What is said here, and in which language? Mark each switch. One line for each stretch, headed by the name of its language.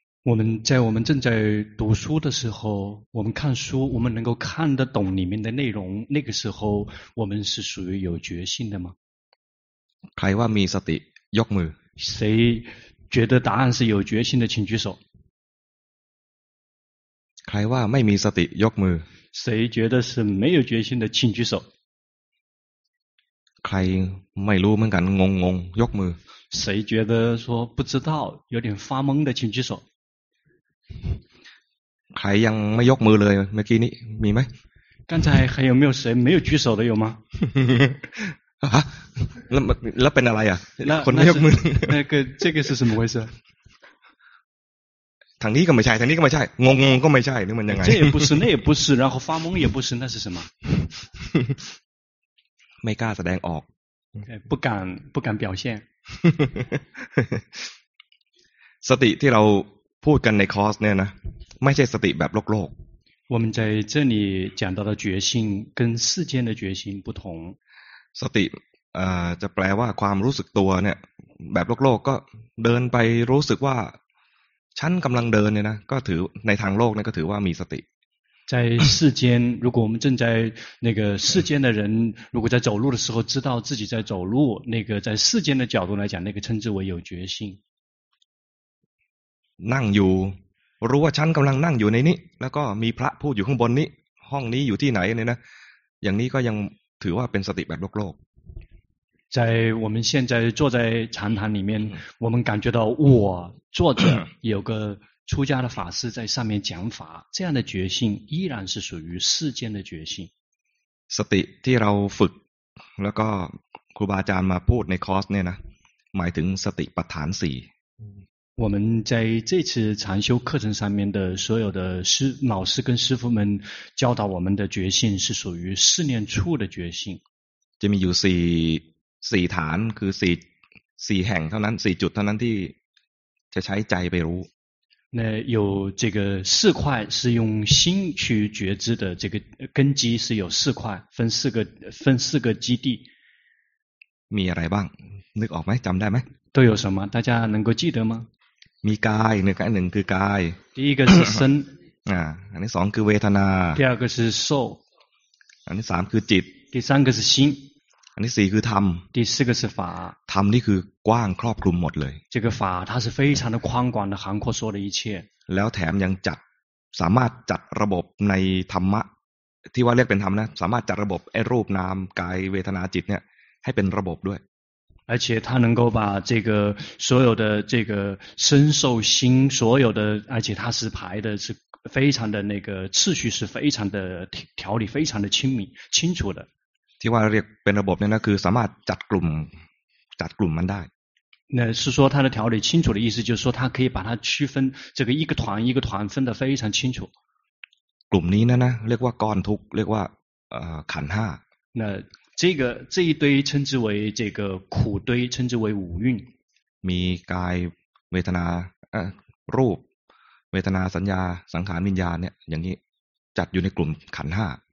Chinese: 我们在我们正在读书的时候我们看书我们能够看得懂里面的内容那个时候我们是属于有觉性的吗
Thai: ใครว่ามีสติยกมื
Chinese: อ谁觉得答案是有觉性的请举手
Thai: ใครว่าไม่มีสติยกมือ
Chinese: 谁觉得是没有觉性的请举手
Thai: ใครไม่รู้เหมือนกันงงงยกมือ
Chinese: 谁觉得说不知道有点发懵的请举手
Thai: ใครยังไม่ยกมือเลยเมื่อกี้นี้มีไหม
Chinese: 刚才还有没有谁没有举手的有吗
Thai: ฮะแล้วเป็นอะไรอ่ะคน ไม่ ยกมือ
Chinese: 那个这个是什么回事
Thai: ทางนี้ก็ไม่ใช่ทางนี้ก็ไม่ใช่งงก็ไม่ใช่นี่มันยังไง
Chinese: 这也不是那也不是然后发懵也不是那是什么
Thai: ไม่กล้าแสดงออก
Chinese: 不敢表现
Thai: สติที่เราพูดกันในคอร์สเนี่ยนะไม่ใช่สติแบบโลกโลก
Chinese: 我们在这里讲到的觉性跟世间的觉性不同
Thai: สติจะแปลว่าความรู้สึกตัวเนี่ยแบบโลกโลกก็เดินไปรู้สึกว่าฉันกำลังเดินเนี่ยนะก็ถือในทางโลกนี่ก็ถือว่ามีสติ
Chinese: 在世间如果我们正在那个世间的人如果在走路的时候知道自己在走路那个在世间的角度来讲那个称之为有觉性
Thai: นั่งอยู่รู้ว่าฉันกำลังนั่งอยู่ในนี้แล้วก็มีพระพูดอยู่ข้างบนนี้ห้องนี้อยู่ที่ไหนเนี่ยนะอย่างนี้ก็ยังถือว่าเป็นสติแบบโลกโลก
Chinese: 在我们现在坐在禅堂里面我们感觉到我坐着有个出家的法师在上面讲法这样的觉性依然是属于世间的觉性
Thai: สติที่เราฝึกแล้วก็ครูบาอาจารย์มาพูดในคอร์สเนี่ยนะหมายถึงสติปัฏฐานสี่
Chinese: 我们在这次禅修课程上面的所有的师老师跟师父们教导我们的觉性是属于四念处的觉性。
Thai: จะมีอยู่สี่ฐานคือสี่แห่งเท่านั้นสี่จุดเท่านั้นที่จะใช้ใจไปรู้。
Chinese: 那有这个四块是用心去觉知的，这个根基是有四块，分四个基地。
Thai: มีอะไรบ้างนึกออกไหมจำได้ไหม？
Chinese: 都有什么？大家能够记得吗？
Thai: มีกายหนึ่งอันหนึ่งคือกาย
Chinese: 第一个是身
Thai: อันที่สองคือเวทนา
Chinese: 第二个是受
Thai: อันที่สามคือจิต
Chinese: 第三个是心
Thai: อันที่สี่คือธรรม
Chinese: 第四个是法
Thai: ธรรมนี่คือกว้างครอบคลุมหมดเลย
Chinese: 这个法它是非常的宽广的涵括所有的一切
Thai: แล้วแถมยังจัดสามารถจัดระบบในธรรมะที่ว่าเรียกเป็นธรรมนะสามารถจัดระบบไอ้รูปนามกายเวทนาจิตเนี่ยให้เป็นระบบด้วย
Chinese: 而且他能够把这个所有的这个身受心所有的而且他是排的是非常的那个次序是非常的条理非常的清明清楚的
Thai: ที่ว่าเรียกเป็นระบบเนี่ยนะคือสามารถจัดกลุ่มมันได้
Chinese: 那是说他的条理清楚的意思就是说他可以把它区分这个一个团一个团分得非常清楚
Thai: กลุ่มนี้นะเรียกว่าก้อนทุกเรียกว่าขันธ์ห้า
Chinese: 那这个这一堆称之为这个苦堆称之为五蕴
Thai: มีกายเวทนารูป เวทนาสัญญาสังขารวิญญาณเนี่ยอย่างนี้จัดอยู่ในกลุ่มขันธ์ห้า